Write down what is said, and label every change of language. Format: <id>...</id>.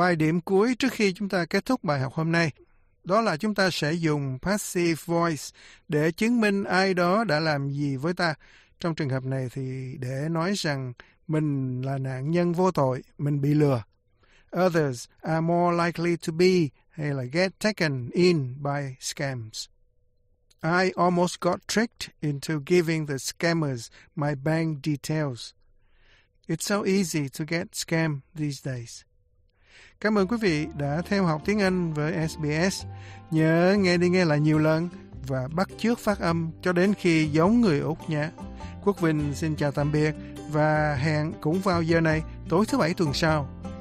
<vi>vài điểm cuối trước khi chúng ta kết thúc bài học hôm nay. Đó là chúng ta sẽ dùng passive voice để chứng minh ai đó đã làm gì với ta. Trong trường hợp này thì để nói rằng mình là nạn nhân vô tội, mình bị lừa.</vi> <en>Others are more likely to be</en> <vi>hay là</vi> <en>get taken in by scams. I almost got tricked into giving the scammers my bank details. It's so easy to get scammed these days.</en> <vi>Cảm ơn quý vị đã theo học tiếng Anh với SBS. Nhớ nghe đi nghe lại nhiều lần và bắt chước phát âm cho đến khi giống người Úc nha. Quốc Vinh xin chào tạm biệt và hẹn cũng vào giờ này tối thứ bảy tuần sau.</vi>